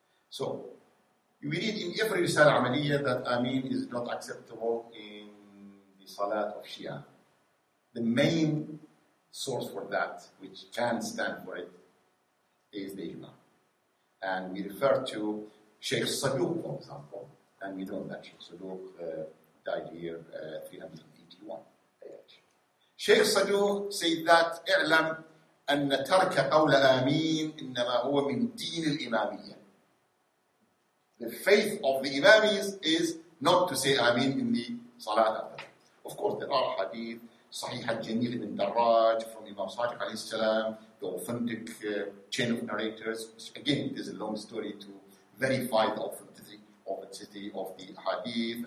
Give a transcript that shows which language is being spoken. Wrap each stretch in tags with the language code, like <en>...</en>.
<en>So, we read in every Risala Amaliyah that Ameen is not acceptable in the Salat of Shia. The main source for that, which can stand for it, is the Ijma. And we refer to Sheikh Saduq, for example. And we know that Sheikh Saduq died here 381. Sheikh Saduq said that</en> <ar>اعلم أن ترك قول آمين إنما هو من دين الإمامية.</ar> <en>The faith of the Imamis is not to say Ameen in the Salat. Of course, there are hadith, Sahih al-Jamil ibn Darraj from Imam Sadiq alayhi salam, the authentic chain of narrators, which again, there's a long story to verify the authenticity of the hadith.</en>